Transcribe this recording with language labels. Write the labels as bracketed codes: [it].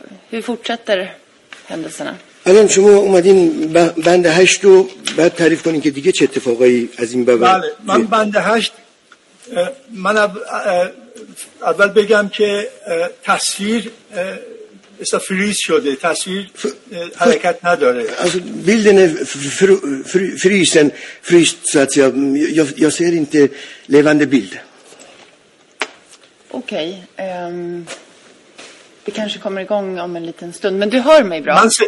[sv] Hur fortsätter händelserna? [fa] الان شما اومدین بند 8 رو بعد تعریف کنین که دیگه چه اتفاقایی از این به بعد. بله، من بند 8، من اول بگم که تصویر فریز شده، تصویر حرکت نداره. [sv] Also bilden frysen, fryst, så att säga. Jag ser inte levande bild. Okej. Det kanske kommer igång om en liten stund, men du hör mig bra.